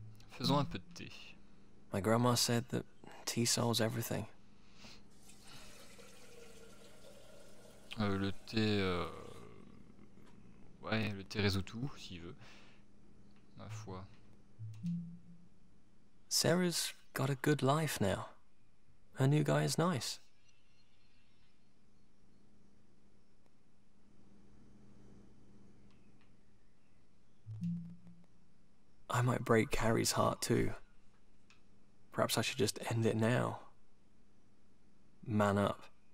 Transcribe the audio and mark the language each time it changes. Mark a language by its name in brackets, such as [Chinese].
[French] Faisons un peu de thé. [English] My grandma said that tea solves everything. [French] Le thé, ouais, le thé résout tout, s'il veut. Ma foi. [English] Sarah's got a good life now. Her new guy is nice. I might break Harry's heart too. Perhaps I should just end it now. Man up.